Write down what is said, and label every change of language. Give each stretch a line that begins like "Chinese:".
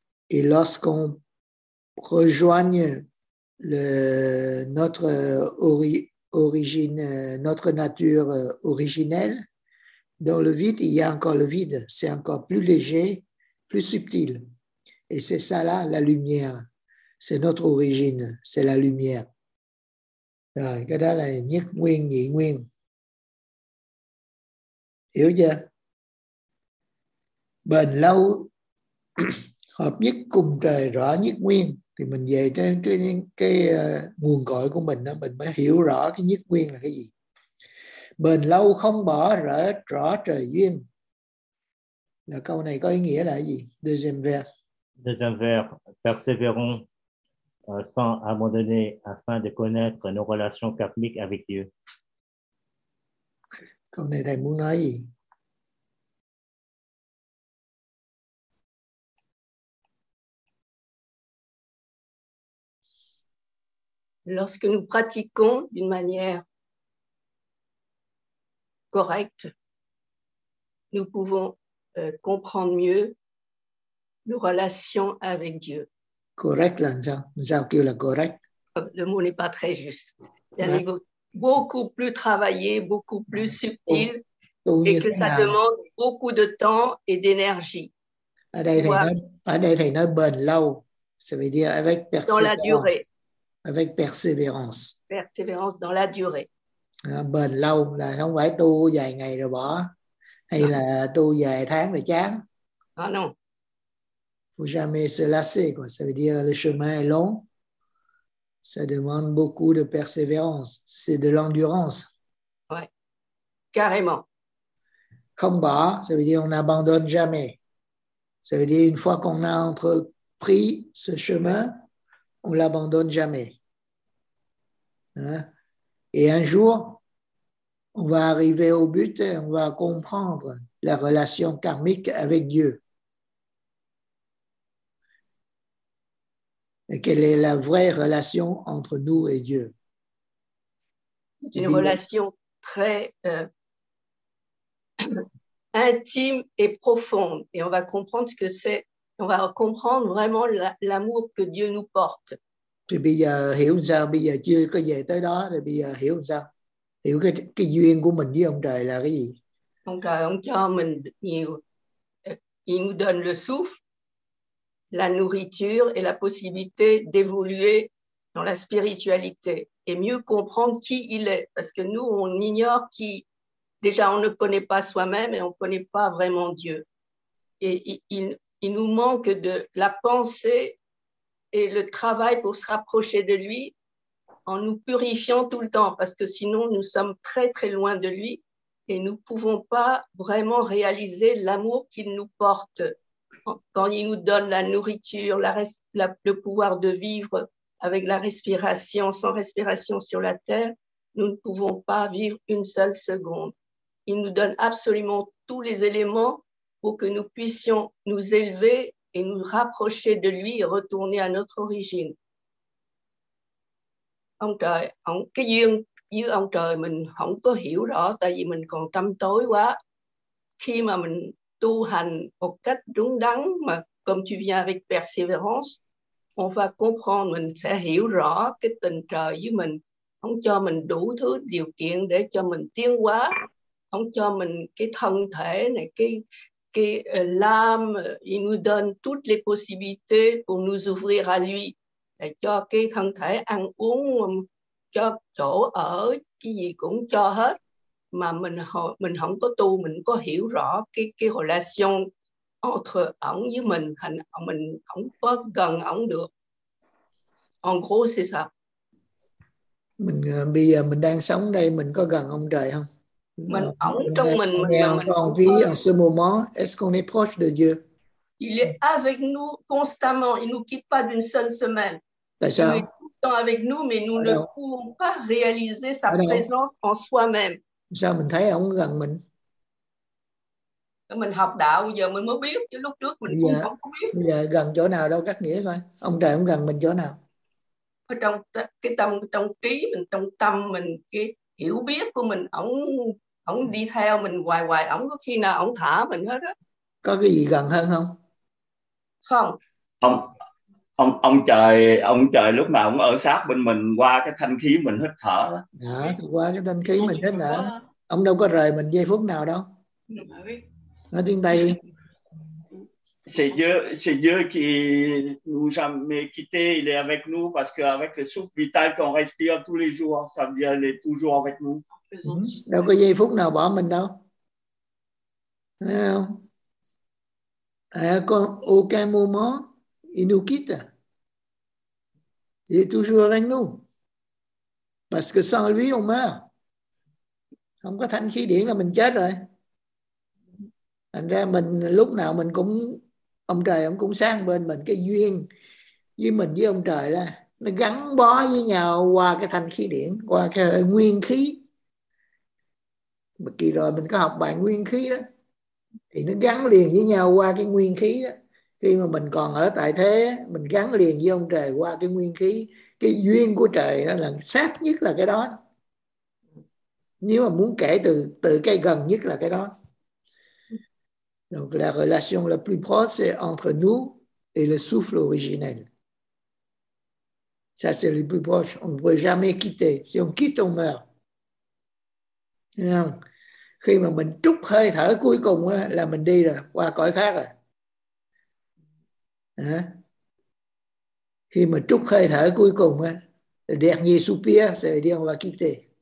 French: Et lorsqu'on rejoigne notre origine, notre nature originelle, dans le vide, il y a encore le vide. C'est encore plus léger, plus subtil. Et c'est ça là, la lumière. C'est notre origine, c'est la lumière.
Vietnamese: Rồi, cái đó là nhất nguyên, nhị nguyên. Hiểu chưa? Bền lâu, hợp nhất cùng trời, rõ nhất nguyên. Thì mình về tới nguồn cội của mình, đó, mình mới hiểu rõ cái nhất nguyên là cái gì. Bền lâu không bỏ, rõ trời duyên. Là câu này có ý nghĩa là gì?
French: Deuxième vers. Deuxième vers, persévérons sans abandonner afin de connaître nos relations karmiques avec Dieu.
Vietnamese: Câu này thầy muốn nói gì?
French: Lorsque nous pratiquons d'une manière correcte, nous pouvons comprendre mieux nos relations avec Dieu. Correct, là, correct. Le mot n'est pas très juste. Il y a beaucoup plus travaillé, beaucoup plus subtil, et que ça demande beaucoup de temps et d'énergie.
Vietnamese: À đây thầy nói bền lâu,
French: ça veut dire avec persévérance. Dans la durée. Avec persévérance. Persévérance dans la durée.
Vietnamese: Bền lâu là không phải tu vài ngày rồi bỏ, hay là tu vài tháng rồi chán.
French: Ah non. Faut jamais se lasser, quoi. Ça veut dire le chemin est long. Ça demande beaucoup de persévérance. C'est de l'endurance. Ouais, carrément. Combat, ça veut dire on n'abandonne jamais. Ça veut dire une fois qu'on a entrepris ce chemin, on l'abandonne jamais. Hein? Et un jour, on va arriver au but et on va comprendre la relation karmique avec Dieu. quelle est la vraie relation entre nous et Dieu. C'est une relation très intime et profonde. Et on va comprendre ce que c'est. On va comprendre vraiment l'amour que Dieu nous porte.
Vietnamese: Thì bây giờ hiểu sao? Bây giờ chưa có về tới đó. Thì bây giờ hiểu sao? Hiểu cái duyên của mình với ông trời là cái gì? Ông trời, ông cho mình nhiều.
French: Il nous donne le souffle, la nourriture et la possibilité d'évoluer dans la spiritualité et mieux comprendre qui il est. Parce que nous, on ignore qui. Déjà, on ne connaît pas soi-même et on ne connaît pas vraiment Dieu. Et il nous manque de la pensée et le travail pour se rapprocher de lui en nous purifiant tout le temps. Parce que sinon, nous sommes très, très loin de lui. Et nous ne pouvons pas vraiment réaliser l'amour qu'il nous porte quand il nous donne la nourriture, le pouvoir de vivre avec la respiration, sans respiration sur la terre. Nous ne pouvons pas vivre une seule seconde. Il nous donne absolument tous les éléments pour que nous puissions nous élever et nous rapprocher de lui et retourner à notre origine.
Vietnamese: Donc, như ông trời mình không có hiểu rõ tại vì mình còn tâm tối quá. Khi mà mình tu hành một cách đúng đắn mà
French: comme tu viens avec persévérance, on va comprendre,
Vietnamese: mình sẽ hiểu rõ cái tình trời với mình. Ông cho mình đủ thứ điều kiện để cho mình tiến hóa. Ông cho mình cái thân thể này, cái
French: l'âme, il nous donne toutes les possibilités pour nous ouvrir à lui,
Vietnamese: để cho cái thân thể ăn uống, cho chỗ ở, cái gì cũng cho hết. Mà mình không có tu, mình có hiểu rõ cái
French: relation entre
Vietnamese: ổng với mình. Mình không có gần ổng được.
French: En gros, c'est ça.
Vietnamese: Bây giờ mình đang sống đây, mình có gần ông trời không? Mình ổng trong mình.
French: En vie, en ce moment, est-ce qu'on est proche de Dieu? Il est avec nous constamment. Il ne nous quitte pas d'une seule semaine.
Vietnamese: Tại sao?
French: Avec nous, mais nous ne pouvons pas réaliser sa présence en soi-même.
Vietnamese: Sao mình thấy ông gần mình? Mình học đạo, giờ mình mới biết, chứ lúc trước mình cũng không biết. Bây giờ gần chỗ nào đâu, cách nghĩa coi. Ông trời ông gần mình chỗ nào? Trong cái tâm, trong trí mình, trong tâm mình, cái hiểu biết của mình, ông đi theo mình hoài hoài, ông có khi nào ông thả mình hết á. Có cái gì gần hơn không? Không. Không. Ông trời lúc nào cũng ở sát bên mình qua cái thanh khí mình hít thở đó. Đó, qua cái thanh khí mình hít thở. Ông đâu có rời mình giây phút nào đâu. Nói tiếng Tây.
French: Seigneur qui nous a quitté, il est avec nous parce que avec le souffle vital qu'on respire tous les jours, ça vient, il est toujours avec nous.
Vietnamese: Đâu có giây phút nào bỏ mình đâu. Thấy không?
French: À, aucun moment il nous quitte. Il est toujours avec nous. Parce que sans lui, on meurt.
Vietnamese: Không có thanh khí điển là mình chết rồi. Thành ra mình lúc nào mình cũng, ông trời ông cũng sang bên mình. Cái duyên với mình với ông trời là nó gắn bó với nhau qua cái thanh khí điển, qua cái nguyên khí. Một kỳ rồi mình có học bài nguyên khí đó. Thì nó gắn liền với nhau qua cái nguyên khí đó. Khi mà mình còn ở tại thế, mình gắn liền với ông trời qua cái nguyên khí, cái duyên của trời đó là sát nhất là cái đó. Nếu mà muốn kể từ cái gần nhất là cái đó.
French: Donc la relation la plus proche c'est entre nous et le souffle originel. Ça c'est le plus proche, on ne peut jamais quitter. Si on quitte, on meurt.
Vietnamese: Khi mà mình trút hơi thở cuối cùng đó, là mình đi rồi, qua cõi khác rồi. Khi mà trút hơi thở cuối cùng á,
French: dernier soupir, ça veut dire on va quitter.